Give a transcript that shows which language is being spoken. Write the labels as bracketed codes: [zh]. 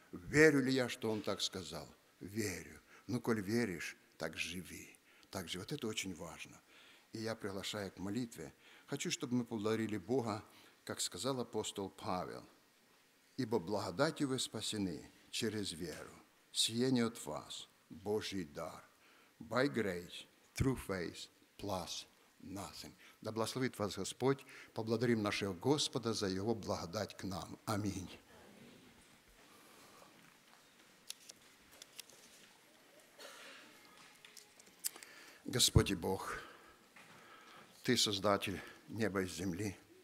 [ru] Верю ли я, что Он так сказал? Верю. Ну, коль веришь, так живи. Так живи. Вот это очень важно. И я приглашаю к молитве. Хочу, чтобы мы поблагодарили Бога, как сказал апостол Павел. Ибо благодатью вы спасены через веру. Сие не от вас, Божий дар. [en] By grace, through faith, plus nothing. [ru] Да благословит вас Господь. Поблагодарим нашего Господа за Его благодать к нам. Аминь. Господи Бог, Ты Создатель неба и земли.